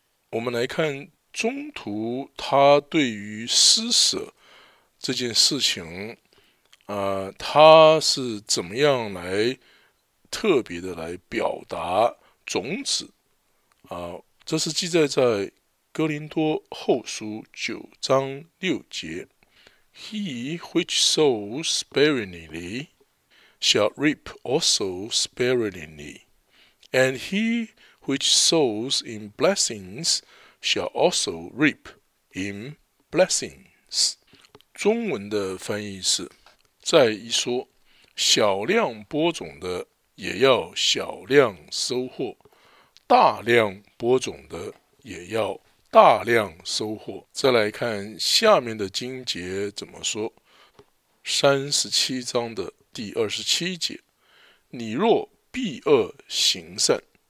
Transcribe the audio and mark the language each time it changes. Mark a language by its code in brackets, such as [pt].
[zh] 我们来看中途他对于施舍这件事情他是怎么样来特别的来表达种子这是记载在哥林多后书9章6节。 [en] He which sows sparingly shall reap also sparingly, and he which sows in blessings shall also reap in blessings. [zh] 中文的翻译是，再一说，小量播种的也要小量收获，大量播种的也要大量收获。再来看下面的经节怎么说，37章的第27节，你若必恶行善，